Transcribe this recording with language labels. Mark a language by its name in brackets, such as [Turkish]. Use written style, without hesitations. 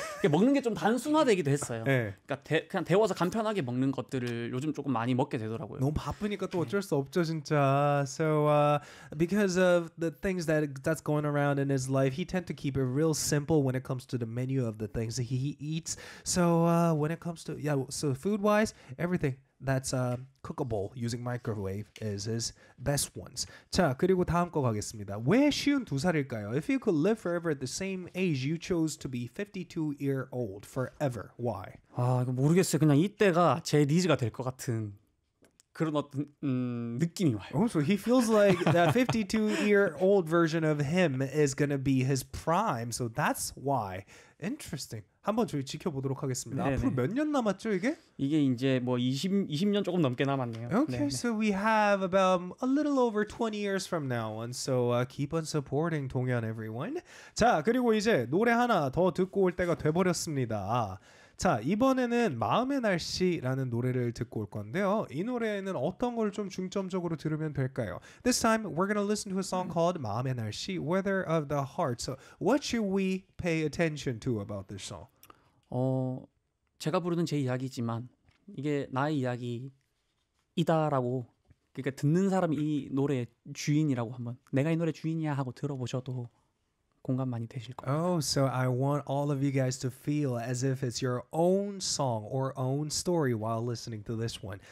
[Korean] 먹는 게 좀 단순화되기도 했어요. 네. 그러니까 그냥 데워서 간편하게 먹는 것들을 요즘 조금 많이 먹게 되더라고요. 너무 바쁘니까 또 어쩔 수 없죠, 진짜. [English] So because of the things that's going around in his life, he tend to keep it real simple when it comes to the menu of the things that he eats. So when it comes to yeah, so food wise, everything that's cookable using microwave is his best ones. [Korean] 자, 그리고 다음 거 가겠습니다. 왜 쉬운 두 살일까요? [English] If you could live forever at the same age, you chose to be 52-year-old forever. Why? [Korean] 아, 이거 모르겠어요. 그냥 이때가 제 니즈가 될 것 같은 그런 어떤 느낌이 와요. [English] Oh, so he feels like that 52-year-old version of him is gonna be his prime. So that's why. Interesting. [Korean] 한번 저희 지켜보도록 하겠습니다. 네네. 앞으로 몇 년 남았죠, 이게? 이게 이제 뭐 20년 조금 넘게 남았네요. [English] Okay, 네네. So we have about a little over 20 years from now. And so keep on supporting 동현, everyone. [Korean] 자, 그리고 이제 노래 하나 더 듣고 올 때가 돼버렸습니다. 자, 이번에는 마음의 날씨라는 노래를 듣고 올 건데요. 이 노래에는 어떤 걸 좀 중점적으로 들으면 될까요? [English] This time, we're going to listen to a song called 마음의 날씨, Weather of the Heart. So, what should we pay attention to about this song? [Korean] 제가 부르는 제 이야기지만, 이게 나의 이야기이다라고, 그러니까 듣는 사람이 이 노래의 주인이라고 한번, 내가 이 노래 주인이야 하고 들어보셔도 공감 많이 되실 거예요. [English] Oh, so I want all of you guys to feel as if it's your own song or own story while listening to this one.